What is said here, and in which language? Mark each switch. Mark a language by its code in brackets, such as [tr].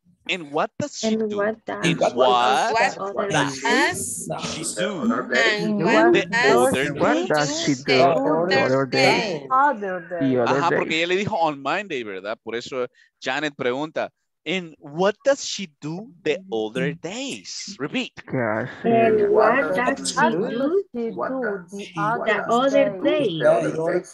[en] And what does she do the other day? [es] Ajá, porque ella le dijo [en] on Monday, [es] ¿verdad? Por eso Janet pregunta, [en] and what does she do the other days? Repeat. And what does she do the other days?